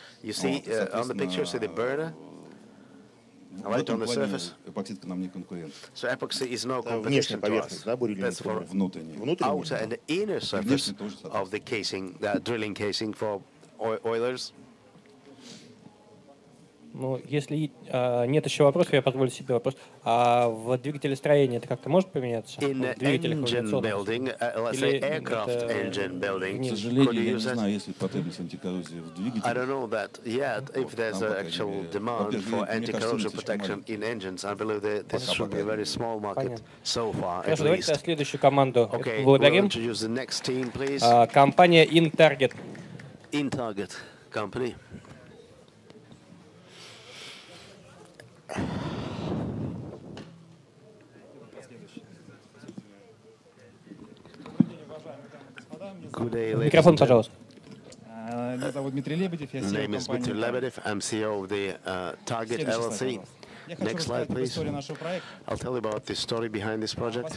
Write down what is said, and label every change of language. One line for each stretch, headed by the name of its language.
English: You see on the picture, see the burner? Right on the surface. So epoxy is no competition to us. That's for outer and inner surface of the casing, the drilling casing for oilers.
Russian: Ну, если нет еще вопросов, я позволю себе вопрос. А в двигателестроении это как-то может поменяться?
English: In engine building, let's say aircraft engine building.
Russian: К сожалению, я не знаю, есть ли потребность антикоррозии в двигателе.
English: I don't know that yet if there's an actual demand for anti-corrosion protection in engines. I believe that this should be a very small market so far.
Russian: Хорошо, давайте следующую команду. Благодарим.
English: Introduce the next team, please.
Russian: Компания InTarget.
English: InTarget company.
Russian: Микрофон, пожалуйста. Меня зовут Дмитрий Лебедев, я CEO компании
English: Lebedev, I'm CEO of the Target LLC. Next slide, please. I'll tell you about the story behind this project.